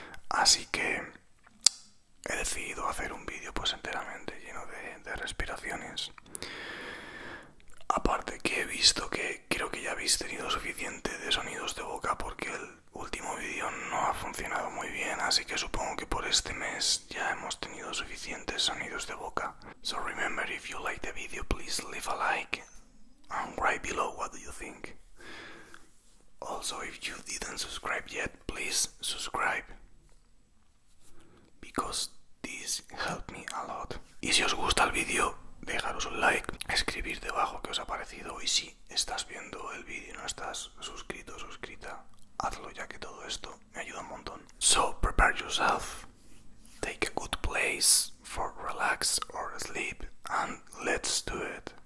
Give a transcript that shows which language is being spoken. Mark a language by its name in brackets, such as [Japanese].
[Spanish] Así que he decidido hacer un vídeo pues enteramente lleno de respiraciones. Aparte que he visto que creo que ya habéis tenido suficiente de sonidos de boca porque el último vídeo no ha funcionado muy bien, así que supongo que por este mes ya hemos tenido suficientes sonidos de boca. [English] So remember, if you like the video, please leave a like and write below what do you think. Also, if you didn't subscribe yet, please subscribe because this helped me a lot. [Spanish] Y si os gusta el vídeo, dejaros un like, escribir debajo qué os ha parecido y si estás viendo el vídeo y no estás suscrito o suscrita, hazlo ya que todo esto me ayuda un montón. [English] So, prepare yourself, take a good place for relax or sleep and let's do it.